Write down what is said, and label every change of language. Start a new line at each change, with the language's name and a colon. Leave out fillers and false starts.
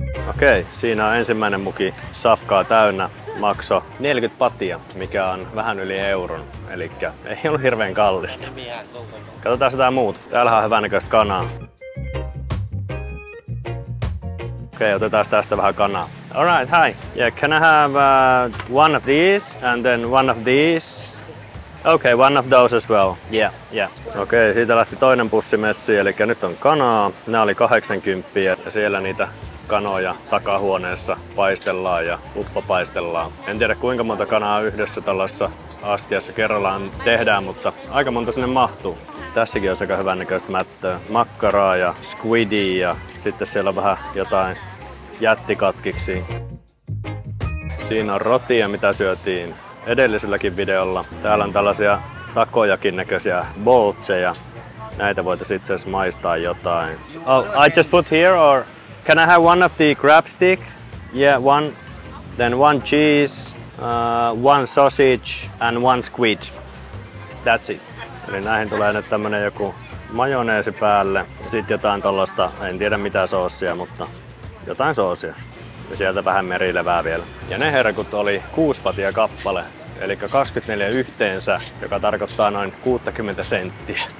Finnish: Okei, siinä on ensimmäinen muki safkaa täynnä. Makso 40 patia, mikä on vähän yli euron. Elikkä ei ollut hirveän kallista. Katsotaan sitä muut. Täällä on hyvännäköistä kanaa. Okei, otetaan tästä vähän kanaa.
English: Alright, hi. Yeah, can I have one of these and then one of these? Okay, one of those as well. Yeah, yeah.
Finnish: Okei, okay, siitä lähti toinen pussi messi, eli nyt on kanaa. Nää oli 80 ja siellä niitä kanoja takahuoneessa paistellaan ja uppa paistellaan. En tiedä kuinka monta kanaa yhdessä tällaisessa astiassa kerrallaan tehdään, mutta aika monta sinne mahtuu. Tässäkin on aika hyvännäköistä mättöä. Makkaraa ja squidia ja sitten siellä on vähän jotain jättikatkiksi. Siinä on rotia, mitä syötiin edelliselläkin videolla. Täällä on tällaisia takojakin näköisiä boltseja. Näitä voitaisiin itse asiassa maistaa jotain.
English: Oh, I just put here or... Can I have one of the crab stick? Yeah, one. Then one cheese, one sausage and one squid. That's it.
Finnish: Eli näihin tulee nyt tämmönen joku majoneesi päälle. Sitten jotain tollaista, en tiedä mitä soosia, mutta jotain soosia. Ja sieltä vähän merilevää vielä. Ja ne herkut oli 6 patia kappale. Eli 24 yhteensä, joka tarkoittaa noin 60 senttiä.